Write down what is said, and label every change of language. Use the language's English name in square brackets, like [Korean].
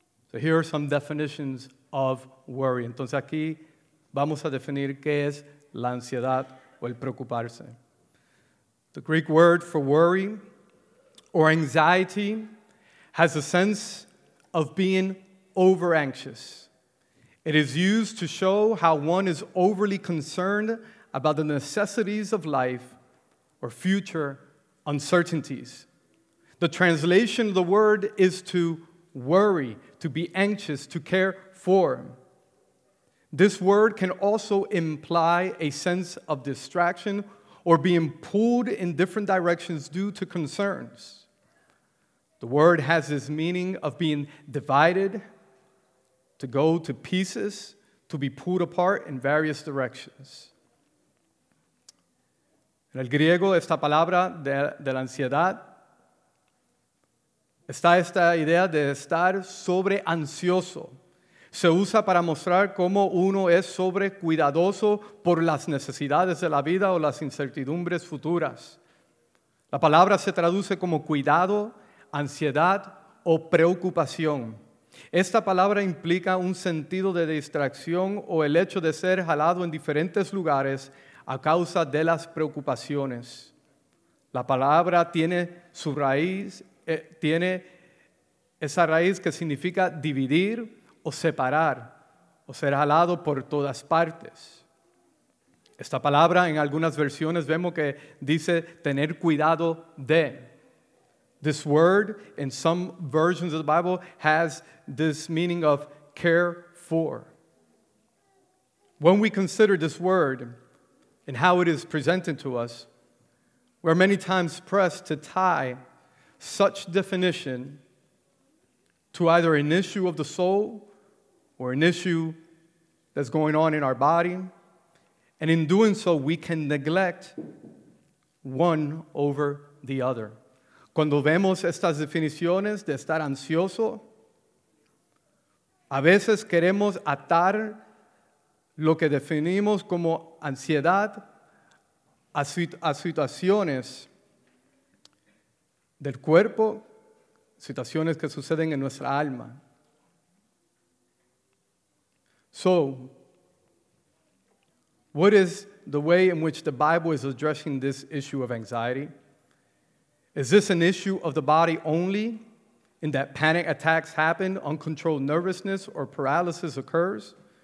[English] So here are some definitions of worry. [Spanish] Entonces aquí vamos a definir qué es la ansiedad o el preocuparse. [English] The Greek word for worry or anxiety has a sense of being over-anxious. It is used to show how one is overly concerned about the necessities of life or future uncertainties. The translation of the word is to worry, to be anxious, to care for. This word can also imply a sense of distraction or being pulled in different directions due to concerns. The word has this meaning of being divided, to go to pieces, to be pulled apart in various directions. [Spanish] En el griego, esta palabra de la ansiedad Está esta idea de estar sobre ansioso. Se usa para mostrar cómo uno es sobre cuidadoso por las necesidades de la vida o las incertidumbres futuras. La palabra se traduce como cuidado, ansiedad o preocupación. Esta palabra implica un sentido de distracción o el hecho de ser jalado en diferentes lugares a causa de las preocupaciones. La palabra tiene su raíz, tiene esa raíz que significa dividir o separar o ser jalado por todas partes. Esta palabra en algunas versiones vemos que dice tener cuidado de. [English] This word in some versions of the Bible has this meaning of care for. When we consider this word and how it is presented to us, we're many times pressed to tie such definition to either an issue of the soul or an issue that's going on in our body. And in doing so, we can neglect one over the other. [Spanish] Cuando vemos estas definiciones de estar ansioso, a veces queremos atar lo que definimos como ansiedad a situaciones del cuerpo, situaciones que suceden en nuestra alma. [English] So, what is the way in which the Bible is addressing this issue of anxiety? Is this an issue of the body only, in that panic attacks happen, uncontrolled nervousness or paralysis occurs?